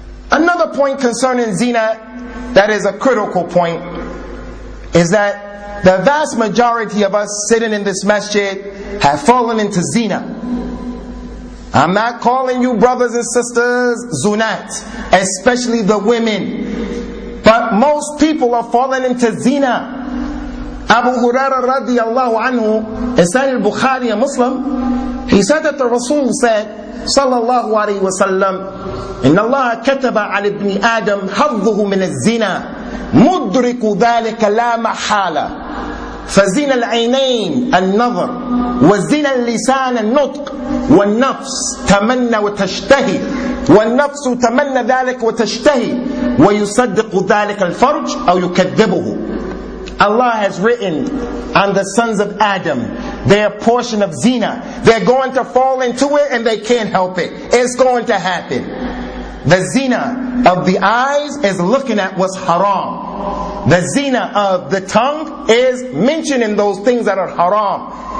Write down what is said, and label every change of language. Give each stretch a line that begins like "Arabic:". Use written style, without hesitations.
English: Another point concerning zina that is a critical point is that the vast majority of us sitting in this masjid have fallen into zina. I'm not calling you brothers and sisters zunat, especially the women. But most people are falling into zina. Abu Huraira radiallahu anhu, Sahih al-Bukhari, a Muslim, he said that the Rasul said, sallallahu alayhi wa sallam,
Arabic: إن الله كتب على ابن آدم حظه من الزنا مدرك ذلك لا محالة فزنا العينين النظر وزنا اللسان النطق والنفس تمنى وتشتهي والنفس تمنى ذلك وتشتهي ويصدق ذلك الفرج أو يكذبه.
English: Allah has written on the sons of Adam their portion of zina. They're going to fall into it and they can't help it. It's going to happen. The zina of the eyes is looking at what's haram. The zina of the tongue is mentioning those things that are haram.